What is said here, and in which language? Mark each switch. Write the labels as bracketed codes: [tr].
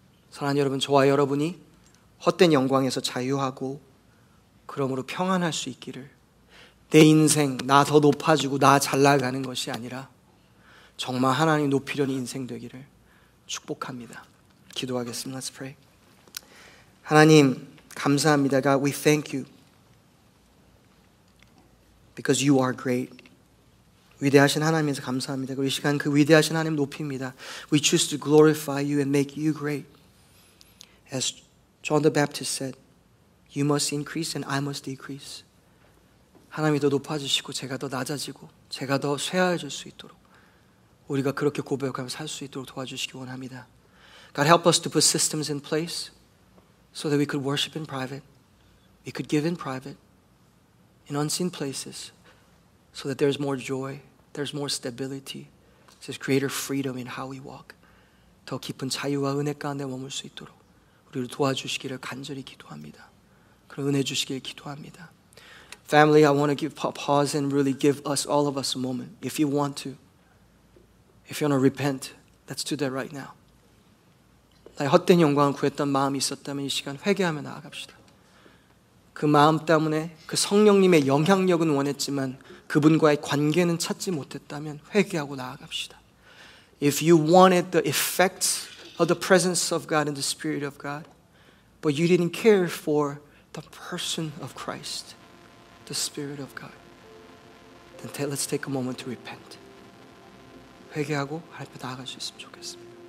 [ko] 사랑하는 여러분, 저와 여러분이 헛된 영광에서 자유하고 그러므로 평안할 수 있기를 내 인생, 나 더 높아지고 나 잘나가는 것이 아니라 정말 하나님 높이려는 인생 되기를 축복합니다. 기도하겠습니다. [en] Let's pray. [ko] 하나님, 감사합니다. [en] God, we thank you because you are great. [ko] 위대하신 하나님에서 감사합니다. 그리고 이 시간 그 위대하신 하나님 높입니다. [en] We choose to glorify you and make you great. As John the Baptist said, you must increase and I must decrease. [ko] 하나님이 더 높아지시고 제가 더 낮아지고 제가 더 쇠하여질 수 있도록 우리가 그렇게 고백하며 살 수 있도록 도와주시기 원합니다. [en] God, help us to put systems in place so that we could worship in private, we could give in private, in unseen places, so that there's more joy, there's more stability, there's greater freedom in how we walk. [ko] 더 깊은 자유와 은혜 가운데 머물 수 있도록 우리를 도와주시기를 간절히 기도합니다. 그런 은혜 주시길 기도합니다. [en] Family, I want to give pause and really give us, all of us, a moment. If you want to, if you want to repent, let's do that right now. [ko] 나의 헛된 영광을 구했던 마음이 있었다면 이 시간 회개하며 나아갑시다. 그 마음 때문에 그 성령님의 영향력은 원했지만 그분과의 관계는 찾지 못했다면 회개하고 나아갑시다. [en] If you wanted the effects of the presence of God and the Spirit of God, but you didn't care for the person of Christ, the Spirit of God, then let's take a moment to repent. [ko] 회개하고 하나님께 나아갈 수 있으면 좋겠습니다.